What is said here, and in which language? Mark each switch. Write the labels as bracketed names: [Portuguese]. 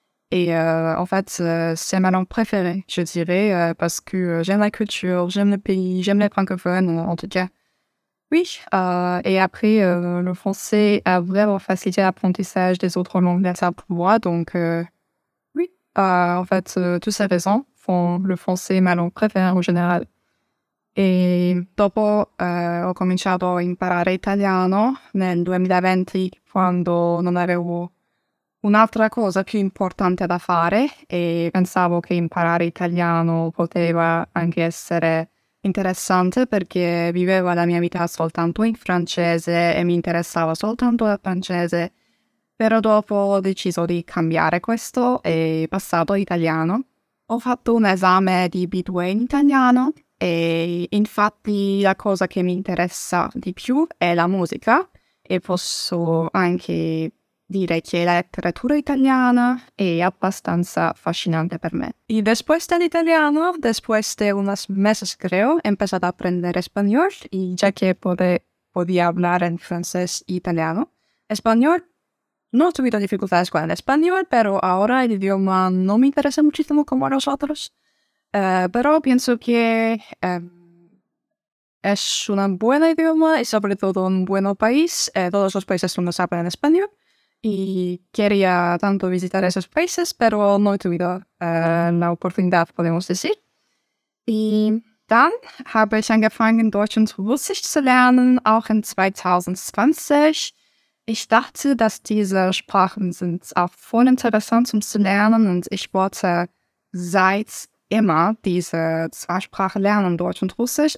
[French] Et en fait, c'est ma langue préférée, je dirais, parce que j'aime la culture, j'aime le pays, j'aime les francophones, en tout cas. Oui, et après, le français a vraiment facilité l'apprentissage des autres langues d'Inter pour moi. Donc, oui, en fait, toutes ces raisons font le français ma langue préférée en général. [Italian] Et dopo, ho cominciato a imparare italiano nel 2020, quando non avevo un'altra cosa più importante da fare, e pensavo che imparare italiano poteva anche essere interessante perché vivevo la mia vita soltanto in francese e mi interessava soltanto il francese. Però dopo ho deciso di cambiare questo e passato all'italiano. Ho fatto un esame di B2 in italiano e infatti la cosa che mi interessa di più è la musica, e posso anche dire que la letteratura italiana è abbastanza affascinante per me. [Spanish] E después del italiano, después de unos meses creo, he empezado a aprender español, y ya que podía hablar en francés e italiano. Español, no he tenido dificultades con el español, pero ahora el idioma no me interesa muchísimo como a los otros. Pero pienso que es un buen idioma y sobre todo un buen país. Todos los países no saben en español. Y quería tanto visitar esos países, pero no he tenido la oportunidad, podemos decir. [German] Y dann habe ich angefangen, Deutsch und Russisch zu lernen, auch in 2020. Ich dachte, dass diese Sprachen sind auch voll interessant, um zu lernen. Und ich wollte seit immer diese zwei Sprachen lernen, Deutsch und Russisch.